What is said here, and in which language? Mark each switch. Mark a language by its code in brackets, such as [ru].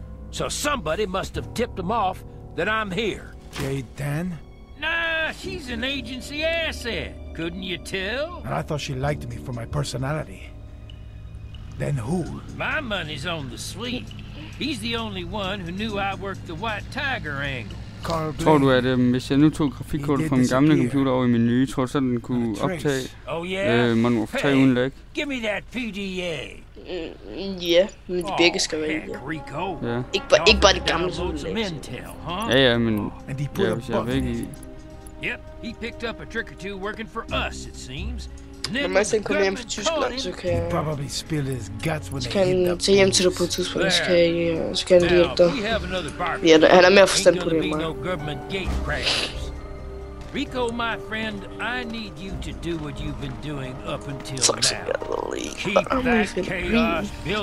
[en] So somebody must have tipped them off that I'm here. Jade Tan? Nah, she's an agency asset. Couldn't you tell? And I thought she liked me for my personality. Then who? My money's on the sweet. He's the only one who knew I worked the White Tiger angle. Carl Blake. [da] Tror du, at hvis jeg nu tog grafikkortet fra min gamle computer over i min nye, tror du så, den kunne optage Modern Warfare 3 uden læg? [en] Hey, give me that PDA. [da] Ja, men de begge skal være i det. Ja. Ikke bare de gamle uden læg. Ja, men hvis jeg er væk i... [en] Yep, he picked up a trick or two working for us, it seems. [da] Mathien kommer hjem fra Tyskland, så kan jeg... [en] Probably spill his guts when [da] så kan han tage hjem til dig på et tidspunkt, så kan jeg... Så kan han lige hjælpe dig. Ja, han er mere forstand på det end mig. [en] Rico, my friend, I need you to do what you've been doing up until now. Keep that chaos building.